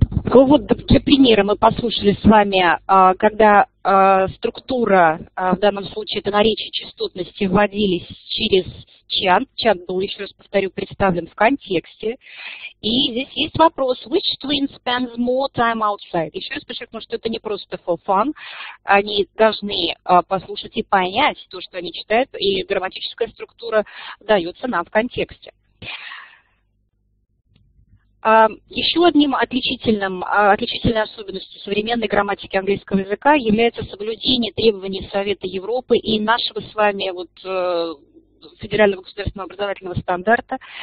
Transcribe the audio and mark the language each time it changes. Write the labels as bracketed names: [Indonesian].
[Russian] Ну вот, для примера мы послушали с вами, когда структура, в данном случае это наречие частотности, вводились через чант. Чант был, еще раз повторю, представлен в контексте. И здесь есть вопрос, [English] which twin spends more time outside? [Russian] Еще раз подчеркну, что это не просто [English] for fun. [Russian] Они должны послушать и понять то, что они читают, и грамматическая структура дается нам в контексте. Еще одним отличительной особенностью современной грамматики английского языка является соблюдение требований Совета Европы и нашего с вами вот, федерального государственного образовательного стандарта.